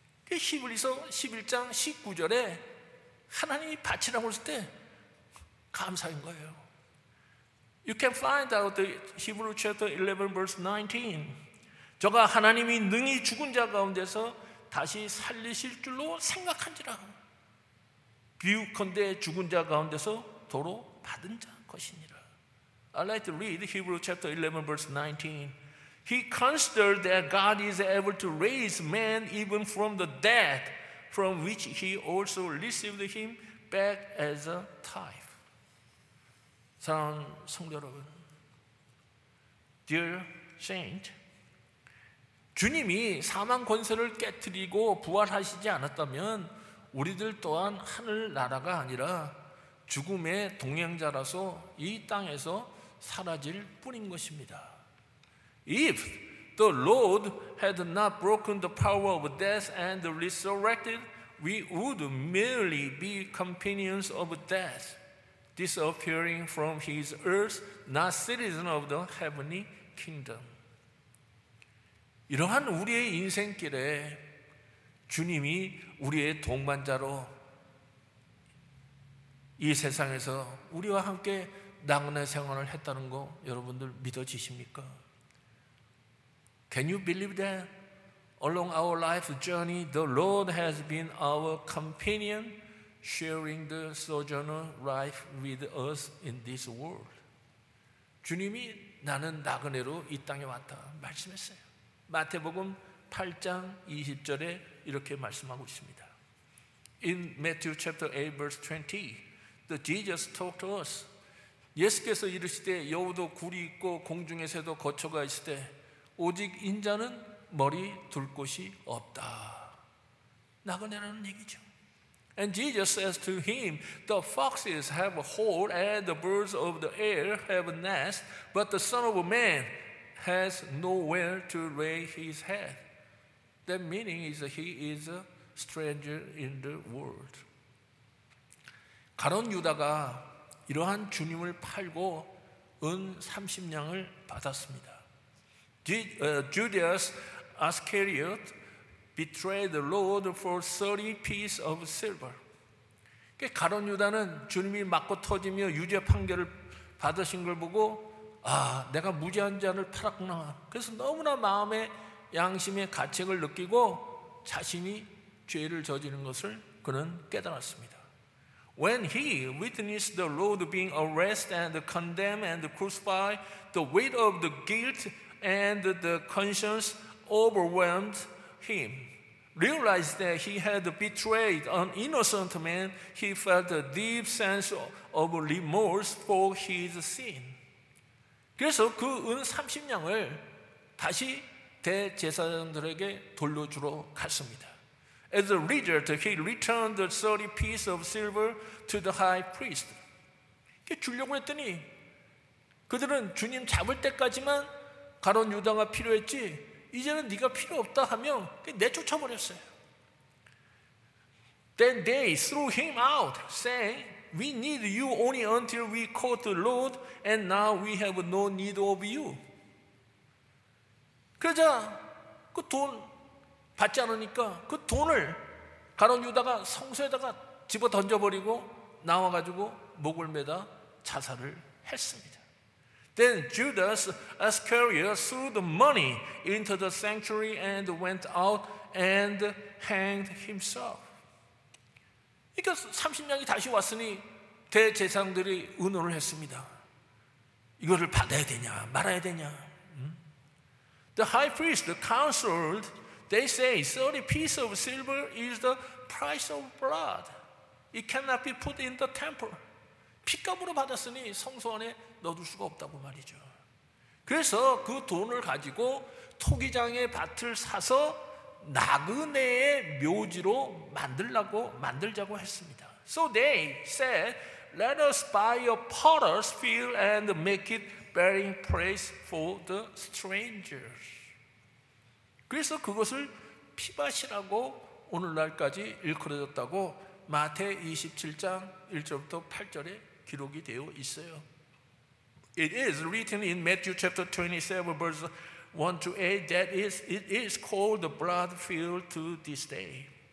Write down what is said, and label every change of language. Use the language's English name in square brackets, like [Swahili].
[Korean] 히브리서 11장 19절에 하나님이 바치라고 했을 때 감사인 거예요. [English] You can find out the Hebrew chapter 11 verse 19. [Korean] 저가 하나님이 능히 죽은 자 가운데서 다시 살리실 줄로 생각한지라. 비유컨대 죽은 자 가운데서 도로 받은 자. [English] I'd like to read Hebrews chapter 11 verse 19. He considered that God is able to raise man even from the dead from which he also received him back as a tithe. [Korean] 사랑 성도 여러분, [English] Dear Saint, [Korean] 주님이 사망 권세를 깨뜨리고 부활하시지 않았다면 우리들 또한 하늘나라가 아니라 죽음의 동행자라서 이 땅에서 사라질 뿐인 것입니다. [English] If the Lord had not broken the power of death and resurrected, we would merely be companions of death, disappearing from his earth, not citizens of the heavenly kingdom. [Korean] 이러한 우리의 인생길에 주님이 우리의 동반자로 이 세상에서 우리와 함께 낙원의 생활을 했다는 거 여러분들 믿어지십니까? [English] Can you believe that along our life journey, the Lord has been our companion, sharing the sojourner life with us in this world? [Korean] 주님이 나는 나그네로 이 땅에 왔다 말씀했어요. 마태복음 8장 20절에 이렇게 말씀하고 있습니다. [English] In Matthew chapter 8 verse 20, the Jesus talked to us. [Korean] 예수께서 이르시되 여우도 굴이 있고 공중의 새도 거처가 있으되 오직 인자는 머리 둘 곳이 없다. 나그네라는 얘기죠. [English] And Jesus says to him, The foxes have a hole and the birds of the air have a nest, but the Son of Man has nowhere to lay his head. That meaning is that he is a stranger in the world. [Korean] 가룟 유다가 이러한 주님을 팔고 은 30냥을 받았습니다. [English] Judas Iscariot betrayed the Lord for 30 pieces of silver. [Korean] 가룟 유다는 주님이 맞고 터지며 유죄 판결을 받으신 걸 보고 아, 내가 무죄한 자를 팔았구나. 그래서 너무나 마음에 양심의 가책을 느끼고 자신이 죄를 저지른 것을 그는 깨달았습니다. [English] When he witnessed the Lord being arrested and condemned and crucified, the weight of the guilt and the conscience overwhelmed him. Realized that he had betrayed an innocent man, he felt a deep sense of remorse for his sin. [Korean] 그래서 그 은 30냥을 다시 대제사장들에게 돌려주러 갔습니다. [English] As a result, he returned the 30 pieces of silver to the high priest. [Korean] 이렇게 주려고 했더니 그들은 주님 잡을 때까지만 가룟 유다가 필요했지 이제는 네가 필요 없다 하며 내쫓아버렸어요. [English] Then they threw him out, saying, We need you only until we caught the Lord, and now we have no need of you. [Korean] 그러자 그 돈 받지 않으니까 그 돈을 가룟 유다가 성소에다가 집어 던져버리고 나와가지고 목을 매다 자살을 했습니다. [English] Then Judas Iscariot threw the money into the sanctuary and went out and hanged himself. [Korean] 그러니까 30냥이 다시 왔으니 대제사장들이 의논을 했습니다. 이거를 받아야 되냐 말아야 되냐. [English] The high priest counseled, they say 30 pieces of silver is the price of blood. It cannot be put in the temple. [Korean] 피값으로 받았으니 성소 안에 넣어둘 수가 없다고 말이죠. 그래서 그 돈을 가지고 토기장의 밭을 사서 나그네의 묘지로 만들자고 했습니다. [English] So they said, let us buy a potter's field and make it burying place for the strangers. [Korean] 그래서 그것을 피밭이라고 오늘날까지 일컬어졌다고 마태 27장 1절부터 8절에 기록이 되어 있어요. [English] It is written in Matthew chapter 27 verse 1 to 8 that it is called the blood field to this day.